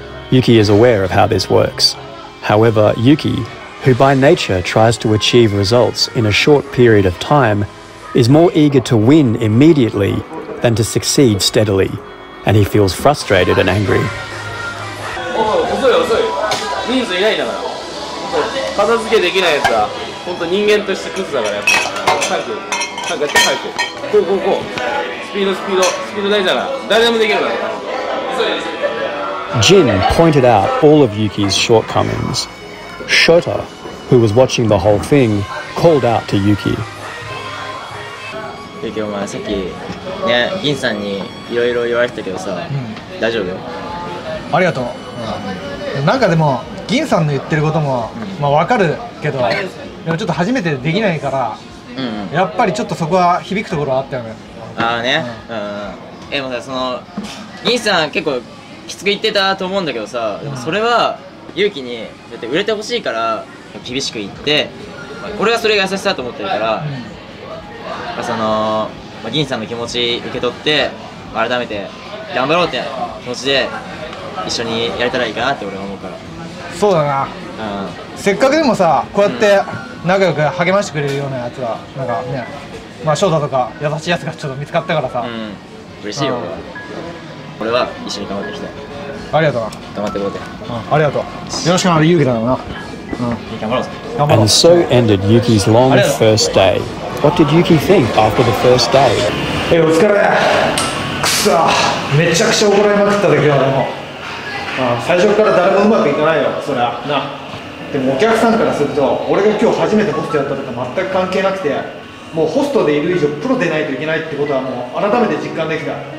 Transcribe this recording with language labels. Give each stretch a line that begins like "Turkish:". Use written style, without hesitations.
English: Yuki is aware of how this works. However, Yuki, who by nature tries to achieve results in a short period of time, is more eager to win immediately than to succeed steadily, and he feels frustrated and angry.
Japanese: Oh, 遅い遅い。人数いないんだから。片付けできないやつは、本当人間としてクズだからやっぱ。早く、早くやって、早く。こうこうこう。スピードスピード、スピード大事だな。誰でもできるから。
English: Jin pointed out all of Yuki's shortcomings. Shota, who was watching the whole thing, called out to Yuki.
Japanese: Yuki, お前さっき、ね、銀さんにいろいろ言われたけどさ、うん、大丈夫よ。ありがとう、うん、なんかでも銀さんの言ってることも、うん、まあ、わかるけど、でもちょっと初めてできないから、うんうん、やっぱりちょっとそこは響くところはあったよね。ああね、うん、うん、でもさ、その銀さん結構きつく言ってたと思うんだけどさ、でもそれは勇気にだって売れてほしいから厳しく言って、俺はそれが優しさと思ってるから、うん、その銀さんの気持ち受け取って改めて頑張ろうって気持ちで一緒にやれたらいいかなって俺は思うから。そうだな、うん、せっかくでもさ、こうやって仲良く励ましてくれるようなやつはなんかね、まあ翔太とか優しいやつがちょっと見つかったからさ、うん、嬉しいよ、うん、俺は一緒に頑張っていきたい。ありがとうな、頑張っていこうぜ、うん、ありがとう、よろしくな、勇気だな、うん、頑張ろうぜ。
English: And so ended Yuki's long first day. What did Yuki think after the first day?
Japanese: Hey, お疲れ。くそ、めちゃくちゃ怒られまくったんだけど、でも、最初から誰もうまくいかないよ、そりゃな。でもお客さんからすると、俺が今日初めてホストやったとか全く関係なくて、もうホストでいる以上プロでないといけないってことはもう改めて実感できた。